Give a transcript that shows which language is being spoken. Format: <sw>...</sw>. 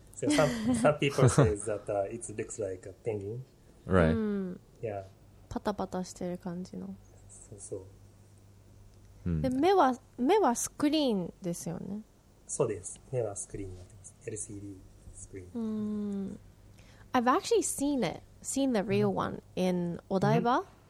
<en>So some people say that it looks like a penguin. Right. Yeah.</en> <ja>パタパタしてる感じの。そうそう。で目はスクリーンですよね。そうです。目はスクリーンになってます。 LCD スクリーン。</ja> <en>I've actually seen the real one in Odaiba.</en>